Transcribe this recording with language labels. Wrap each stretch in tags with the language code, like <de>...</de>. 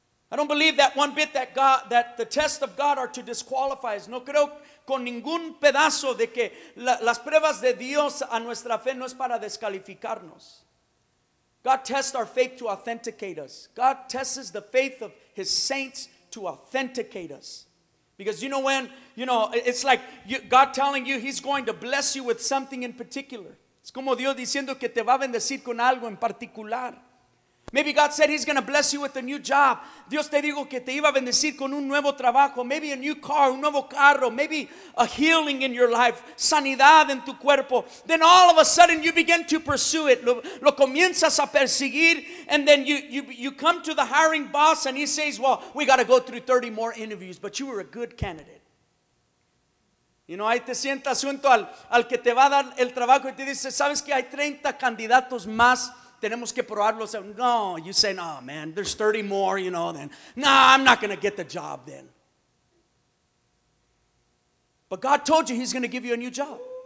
<en>I don't believe that one bit that God, that the test of God are to disqualify us.</en> <es>No creo con ningún pedazo de que las pruebas de Dios a nuestra fe no es para descalificarnos.</es> <en>God tests our faith to authenticate us. God tests the faith of his saints to authenticate us. Because you know when, you know, it's like you, God telling you he's going to bless you with something in particular.</en> <es>Es como Dios diciendo que te va a bendecir con algo en particular.</es> <en>Maybe God said he's going to bless you with a new job.</en> <es>Dios te dijo que te iba a bendecir con un nuevo trabajo.</es> <en>Maybe a new car,</en> <es>un nuevo carro.</es> <en>Maybe a healing in your life.</en> <es>Sanidad en tu cuerpo.</es> <en>Then all of a sudden you begin to pursue it.</en> <es>Lo comienzas a perseguir.</es> <en>And then you come to the hiring boss and he says, well, we got to go through 30 more interviews. But you were a good candidate. You know,</en> <es>ahí te sientas junto al que te va a dar el trabajo. Y te dice, sabes que hay 30 candidatos más. Tenemos que probarlos.</es> <en>No, you say, no, man, there's 30 more, you know, then. No, I'm not going to get the job then. But God told you he's going to give you a new job.</en>